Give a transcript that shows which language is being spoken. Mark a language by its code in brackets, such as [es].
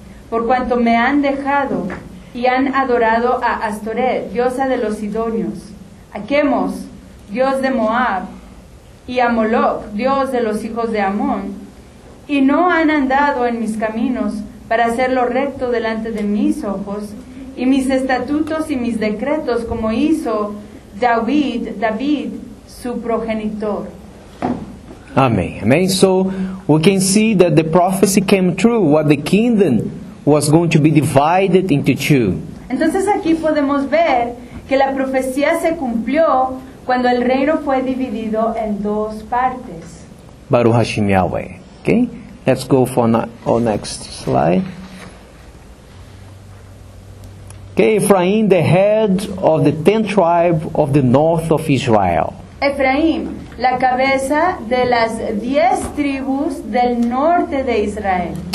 [es] Por cuanto me han dejado y han adorado a Astoret, diosa de los Sidonios, a Chemos, dios de Moab, y a Moloch, dios de los hijos de Amón, y no han andado en mis caminos para hacerlo recto delante de mis ojos, y mis estatutos y mis decretos como hizo David, David, su progenitor. Amén. Amén. [en] So we can see that the prophecy came true, what the kingdom was going to be divided into two. [es] Entonces aquí podemos ver que la profecía se cumplió cuando el reino fue dividido en dos partes. [he] Baruch Hashem Yahweh. [en] Okay, let's go for our next slide. Okay, Ephraim, the head of the 10th tribe of the north of Israel. [es] Ephraim, la cabeza de las 10 tribus del norte de Israel.